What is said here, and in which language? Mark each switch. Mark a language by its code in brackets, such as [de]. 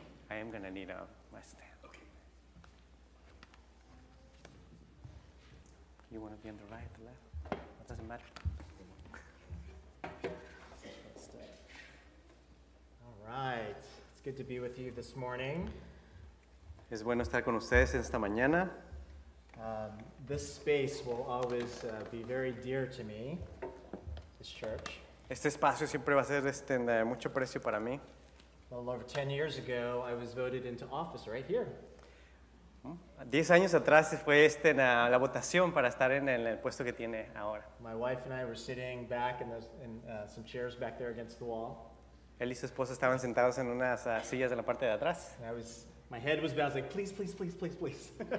[en] I am going to need my stand. Okay. You want to be on the right, the left? Doesn't matter. All right. It's good to be with you this morning. [es] Es bueno estar con ustedes esta mañana. [en] This space will always be very dear to me, this church. [es] Este espacio siempre va a ser de mucho precio para mí. [en] Well, over 10 years ago, I was voted into office right here. [es] 10 años atrás fue la votación para estar en el puesto que tiene ahora. [en] My wife and I were sitting back in some chairs back there against the wall. [es] Él y su esposa estaban sentados en unas sillas en la parte de atrás. [en] And my head was bouncing, like, please, please, please, please, please.